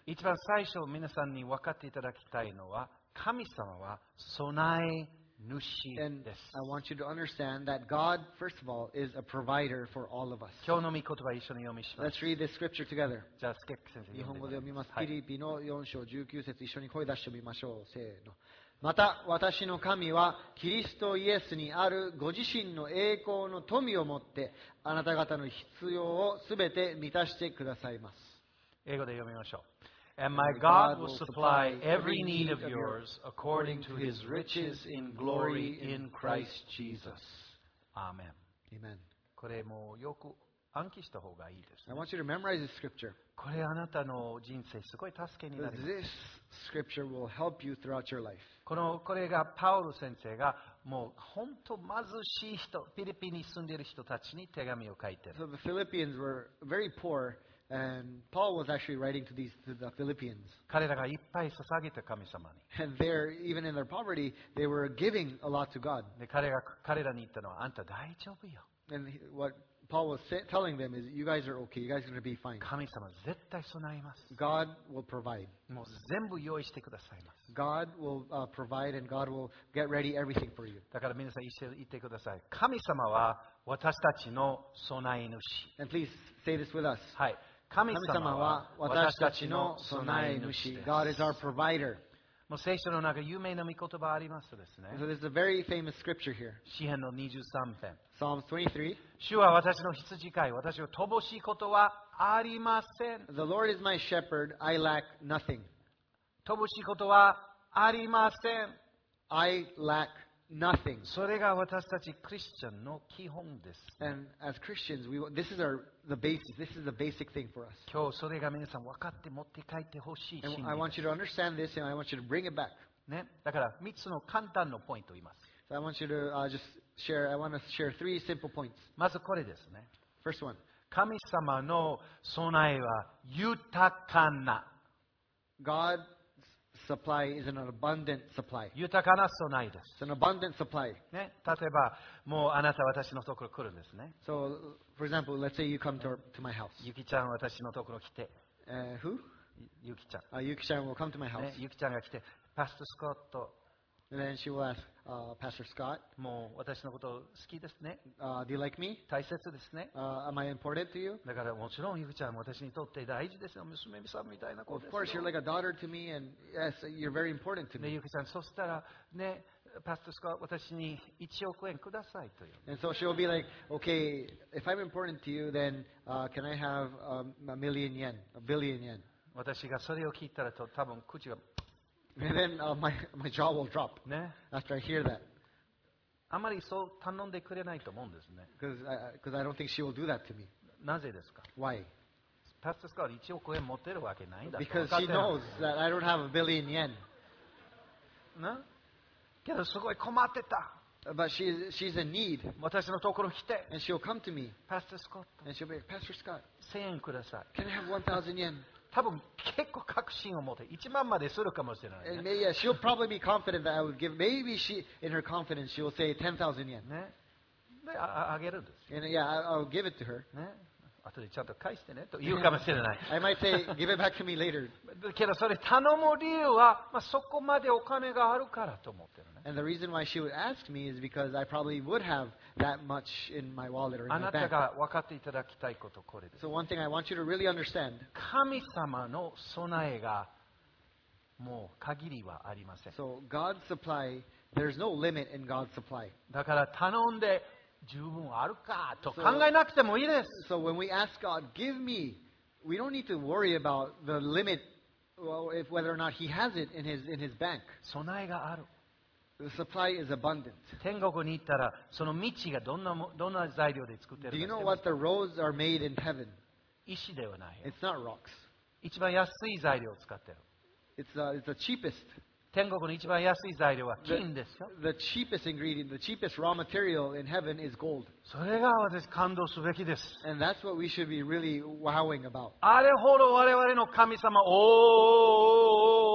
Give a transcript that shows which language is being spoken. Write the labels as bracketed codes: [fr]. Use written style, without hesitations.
[ja] 一番最初皆さんに分かっていただきたいのは、神様は備え [en] And I want you to understand that God, first of all, is a provider for all of us. [ja] 今日の御言葉を一緒に読みします。 [en] Let's read this scripture together. [ja] じゃあ、スケック先生、日本語で読みます。フィリピの4章19節、一緒に声出してみましょう。せーの。また、私の神は、キリストイエスにあるご自身の栄光の富をもって、あなた方の必要をすべて満たしてくださいます。英語で読みましょう。 [en] And my God will supply every need of yours according to his riches in glory in Christ Jesus. Amen. Amen. [ja] これもよく暗記した方がいいです、ね。 [en] I want you to memorize this scripture. [ja] これあなたの人生すごい助けになります。 [en] This scripture will help you throughout your life. [ja] これがパウロ先生がもう本当貧しい人、フィリピンに住んでいる人たちに手紙を書いている。 [en] So the Philippians were very poor. And Paul was actually writing to the Philippians. [ja] 彼らがいっぱい捧げた神様に。 [en] And there, even in their poverty, they were giving a lot to God. [ja] で、彼らに言ったのは、あんた大丈夫よ。 [en] And what Paul was telling them is, you guys are okay, you guys are going to be fine. [ja] 神様絶対備えます。 [en] God will provide. [ja] もう全部用意してくださいます。 [en] God will provide and God will get ready everything for you. [ja] だから皆さん一緒に言ってください。神様は私たちの備え主。 [en] And please say this with us. [ja] はい。神様は私たちの備え主。 [en] God is our provider. [ja] もう聖書の中有名な御言葉ありますですね。 [en] So this is a very famous scripture here. [ja] 詩編の23編。 [en] Psalms 23. [ja] 主は私の羊飼い、私を乏しいことはありません。 [en] The Lord is my shepherd, I lack nothing. [ja] 乏しいことはありません。 [en] I lack nothing. [ja] それが私たちクリスチャンの基本です。 [en] And as Christians, this is the basis. This is the basic thing for us. [ja] 今日それが皆さん分かって持って帰ってほしい信念。 [en] I want you to understand this and I want you to bring it back. [ja] ね。だから3つの簡単のポイントを言います。 [en] So I want you to just share. I want to share three simple points. [ja] まずこれですね。 [en] First one. [ja] 神様の備えは豊かな。 [en] God. Supply is an abundant supply. [ja] 豊かな備えです。 [en] It's an abundant supply. [ja] ね、例えば、もうあなた私のところ来るんですね。 [en] So, for example, let's say you come to my house. [ja] ゆきちゃん私のところ来て。 [en] Who? [ja] ゆきちゃん。 [en] ゆきちゃん will come to my house. [ja] ゆきちゃんが来て、パスタスコット。 [en] And then she will ask, Pastor Scott. [ja] もう私のこと好きですね。 [en] Do you like me? [ja] 大切ですね。 [en] Am I important to you? [ja] だからもちろんゆきちゃんは私にとって大事ですよ。娘さんみたいな子ですよ。 [en] Of course, you're like a daughter to me, and yes, you're very important to me. [ja] ゆきちゃん、そしたらね、Pastor Scott, 私に1億円くださいという。 [en] And so she will be like, okay, if I'm important to you, then can I have a billion yen? [ja] 私がそれを聞いたらと多分口が。 [en] And then my jaw will drop、ね、after I hear that. [ja] あまりそう頼んでくれないと思うんですね。 [en] Because I don't think she will do that to me. [ja] なぜですか? [en] Why? [ja] Pastor Scott, 1億円持ってるわけないんだ。 [en] Because she knows that I don't have a billion yen. [ja] な?けどすごい困ってた。 [en] But she's in need. [ja] 私のところ来て。 [en] And she'll come to me. Pastor Scott. And she'll be like, Pastor Scott. [ja] 1000円ください。 [en] Can I have 1000 yen? [ja] 多分結構確信を持って1万までするかもしれない、ね。 [en] Yeah, she'll probably be confident that I would give. Maybe she, in her confidence, she'll say 10,000 yen. [ja] ね。で、あげるんです。 [en] And yeah, I'll give it to her. [ja] ね。あとでちゃんと返してねと言うかもしれない。 [en] I might say, give it back to me later. [ja] けどそれ頼む理由は、まあ、そこまでお金があるからと思ってるね。 [en] And the reason why she would ask me is because I probably would have that much in my wallet or in my bank. [ja] あなたが分かっていただきたいことこれです。 [en] So one thing I want you to really understand. [ja] 神様の備えがもう限りはありません。 [en] So God's supply, there's no limit in God's supply. [ja] だから頼んで十分あるかと考えなくてもいいです。 [en] So when we ask God, give me, we don't need to worry about the limit, well, if whether or not He has it in His bank. [ja] 備えがある。 [en] The supply is abundant. [ja] 天国に行ったらその道がどんな材料で作ってるか。 [en] Do you know what the roads are made in heaven? [ja] 石ではない。 [en] It's not rocks. [ja] 一番安い材料を使ってる。 [en] It's the cheapest. [ja] 天国の一番安い材料は金ですよ。 [en] The cheapest ingredient, the cheapest raw material in heaven is gold. [ja] それが私感動すべきです。 [en] And that's what we should be really wowing about. [ja] あれほど我々の神様、おお。